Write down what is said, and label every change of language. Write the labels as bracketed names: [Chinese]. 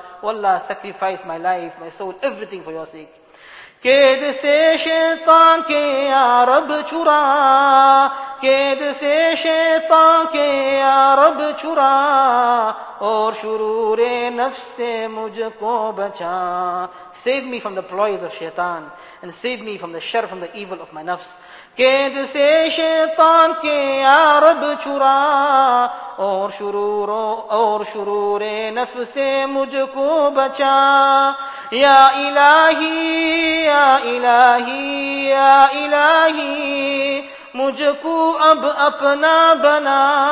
[English] واللہ sacrifice my life my soul everything for your sake. [Urdu] قید سے شیطان کے یا رب چھڑا قید سے شیطان کے یا رب چھڑا اور شرور نفس سے مجھ کو بچا. [English] Save me from the ploys of shaitan and save me from the shar, from the evil of my nafs. [Urdu] قید سے شیطان کے یا رب چھرا اور شرور نفس سے مجھ کو بچا. یا الہی یا الہی یا الہی مجھ کو اب اپنا بنا.